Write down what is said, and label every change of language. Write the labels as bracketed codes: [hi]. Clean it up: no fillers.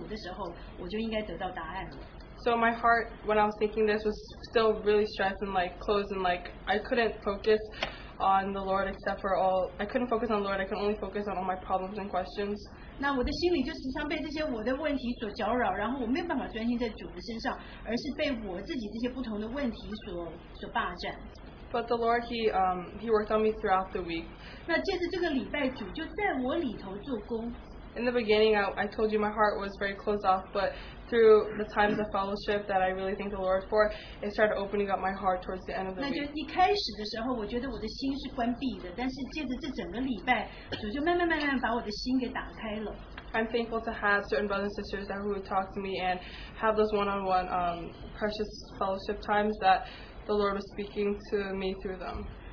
[zh] 也就是一开始的时候，我就这样子跟主求，然后我就想说，这个多伦多的特会完了以后，在星期五的时候，我就应该得到答案了。 [en] So my heart, when I was thinking this, was still really stressed and like closed, and like I couldn't focus on the Lord except for all. I couldn't focus on the Lord. I could only focus on all my problems and questions. [zh] 那我的心里就时常被这些我的问题所搅扰，然后我没有办法专心在主的身上，而是被我自己这些不同的问题所霸占。 [en] But the Lord, He worked on me throughout the week. [zh] 那借着这个礼拜，主就在我里头做工。 [en] In the beginning, I told you my heart was very closed off, but through the times of fellowship that I really thank the Lord for, it started opening up my heart towards the end of the week. [zh] 那就一开始的时候，我觉得我的心是关闭的，但是借着这整个礼拜，主就慢慢把我的心给打开了。 [en] I'm thankful to have certain brothers and sisters that who would talk to me and have those one-on-one precious fellowship times that the Lord was speaking to me through them.